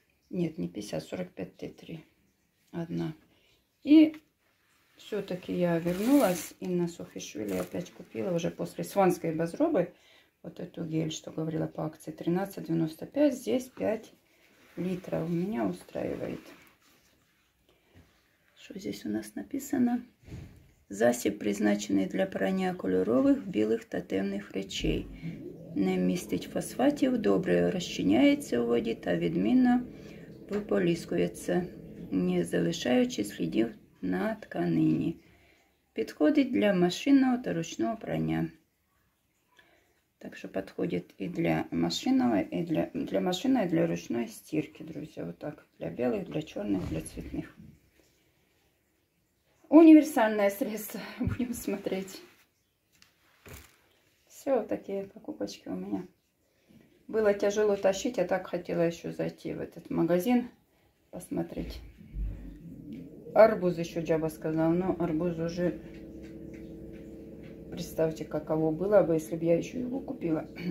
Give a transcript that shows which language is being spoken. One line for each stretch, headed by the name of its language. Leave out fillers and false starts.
Russian: Нет, не 50, 45 тетри. Одна. И все-таки я вернулась и на Сухишвили опять купила уже после Сванской базрубы вот эту гель, что говорила по акции. 13,95. Здесь 5 литров. Меня устраивает. Что здесь у нас написано? Засип, призначенный для прания кулюровых белых тотемных речей.
Ukrainian: Не містить фосфатів, добре розчиняється у воді та відмінно виполіскується, не залишаючи слідів на тканині. Підходить для машинного та ручного прання. Так що підходить і для машинного, і для машинної, і для ручної стірки, друзі. Отак, для білих, для чорних, для цвітних.
Russian: Универсальное средство. Будем смотреть. Все, такие покупочки у меня. Было тяжело тащить, а так хотела еще зайти в этот магазин. Посмотреть. Арбуз еще джаба сказал. Но арбуз уже... Представьте, каково было бы, если бы я еще его купила.